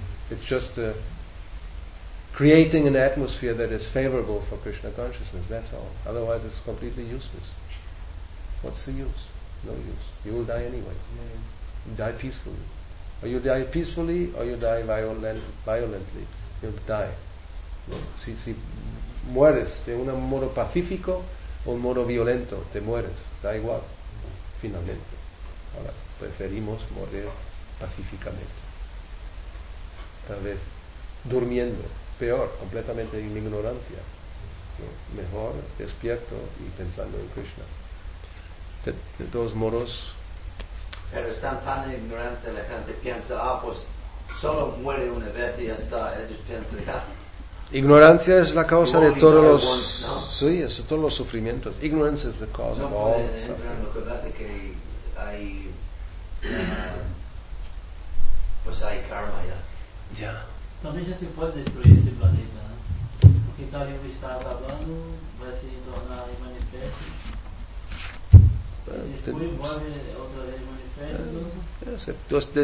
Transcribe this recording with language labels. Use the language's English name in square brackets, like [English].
[English] It's just creating an atmosphere that is favorable for Krishna consciousness. That's all. Otherwise, it's completely useless. What's the use? No use. You will die anyway. You die peacefully. Or you die peacefully, or you die violently. You'll die. [Spanish] Si mueres de un modo pacífico o un modo violento, te mueres. Da igual, finalmente. Ahora, preferimos morir pacíficamente. Tal vez durmiendo, peor, completamente en ignorancia. ¿No? Mejor despierto y pensando en Krishna. De todos modos. Pero están tan ignorante la gente, piensa, pues solo muere una vez y ya está. Ellos piensan, ya. Ignorancia es la causa de todos los sufrimientos. [English] Ignorance is the cause of all suffering. [Spanish] Lo que pasa es que hay pues hay karma ya. [English] Yeah. [Portuguese] também já se pode destruir esse planeta, né? Porque tal livro está acabando, vai se tornar manifesto.